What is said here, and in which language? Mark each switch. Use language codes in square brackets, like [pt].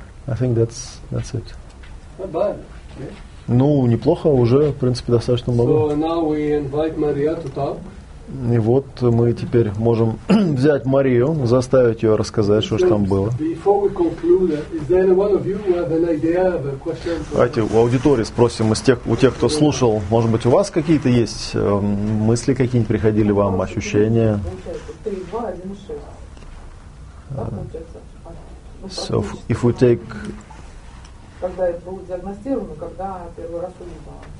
[en] I think that's it. Not bad. Okay. [ru] Ну, неплохо, уже, в принципе, достаточно много. [en] So now we invite Maria to talk. [ru] И вот мы теперь можем взять Марию, заставить ее рассказать, что же там было. [en] Before we conclude, is there any one of you who have an idea of a question? [ru] Давайте у аудитории спросим, у тех, кто слушал, может быть, у вас какие-то есть мысли какие-нибудь приходили вам, ощущения? [en] 3, 2, 1, 6. So if we take [ru] когда это было диагностировано, когда первый раз увидела.